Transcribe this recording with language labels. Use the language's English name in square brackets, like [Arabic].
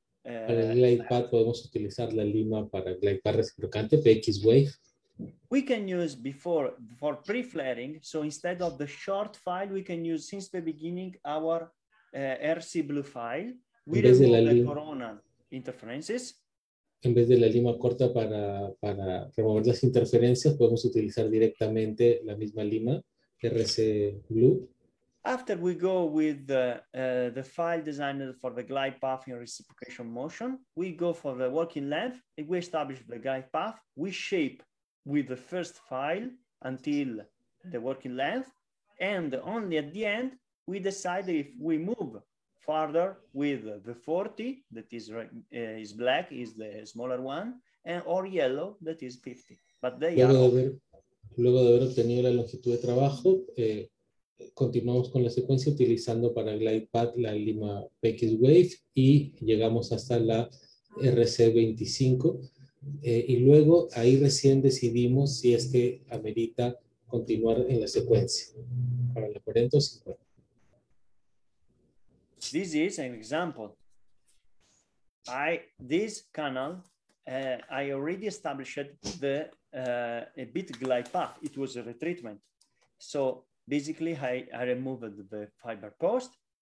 [Spanish] Para el glide path podemos utilizar la lima para glide path reciprocante, PX wave. [English] We can use before for pre-flaring. So instead of the short file, we can use since the beginning our RC blue file. We remove the corona interferences. En vez de la lima corta para remover las interferencias, podemos utilizar directamente la misma lima, RC blue. After we go with the file designed for the glide path in reciprocation motion, we go for the working length, and we establish the glide path, we shape with the first file until the working length, and only at the end, we decide if we move farther with the 40, that is black, is the smaller one, and or yellow, that is 50. But they [Spanish] luego [English] are... [Spanish] luego de haber obtenido la longitud de trabajo, continuamos con la secuencia utilizando para glide path la lima PX Wave y llegamos hasta la RC25 y luego ahí recién decidimos si es que amerita continuar en la secuencia para la 40 o 50. [English] This is an example. This canal, I already established the a bit glide path. It was a retreatment. So basically, I removed the fiber post.